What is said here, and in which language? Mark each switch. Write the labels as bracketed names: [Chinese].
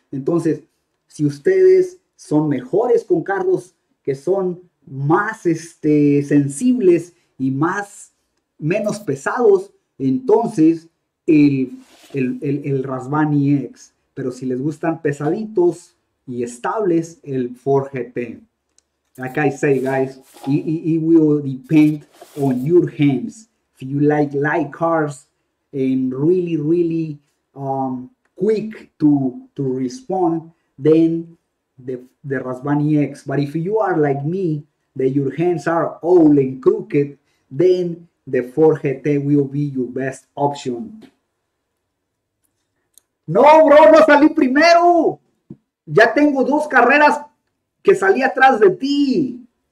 [Spanish] Entonces, si ustedes son mejores con carros que son más sensibles y menos pesados, entonces el Rasvani X. Pero si les gustan pesaditos y estables, el Ford GT. [English] Like I say, guys, it will depend on your hands. If you like light cars and really, really quick to respond, then the Rasvani X. But if you are like me, that your hands are old and crooked, then the Ford GT will be your best option. [Spanish] No, bro, no salí primero. Ya tengo dos carreras que salí atrás de ti.